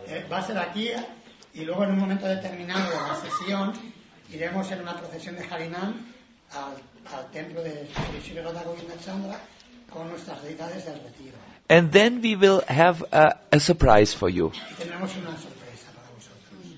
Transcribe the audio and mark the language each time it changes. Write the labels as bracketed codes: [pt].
[es] Va a ser aquí y luego en un momento determinado de la sesión iremos en una procesión de Harinam al templo de Sri Radha Govinda Chandra con nuestras deidades del retiro. [en] And then we will have a surprise for you. [es] Y tenemos una sorpresa para vosotros.